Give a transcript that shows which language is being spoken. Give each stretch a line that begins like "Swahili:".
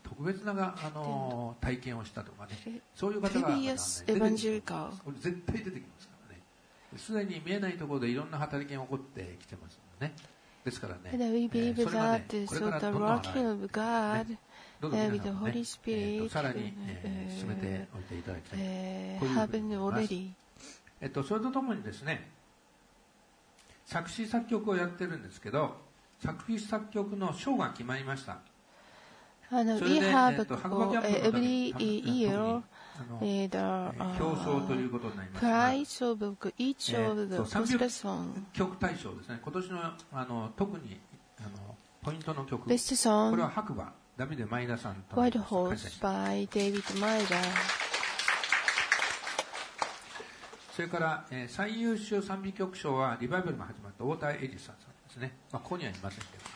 Japanese: 特別な体験をしたとかね、そういう方が出てきます。これ絶対出てきます。すでに見えないところでいろんな働きが起こってきてますね。ですからね、
English: we believe that the working of God with the Holy Spirit
Japanese: さらに進めておいていただきたい。こういうふうに思います。それとともにですね、作詞作曲をやってるんですけど、作詞作曲の賞が決まりました。
English: We have every year
Japanese: 表彰ということになります。
English: Prize of book, each of the gospel song.
Japanese: 曲大賞ですね。今年 の, 特にポイントの曲。
English: Best song.
Japanese: これは白馬、ダビデ・マイダさんと。
English: White Horse by David Maeda.
Japanese: それから、最優秀賛美曲賞はリバイバルも始まった太田エリスさんですね。まあ、ここにはいませんけど。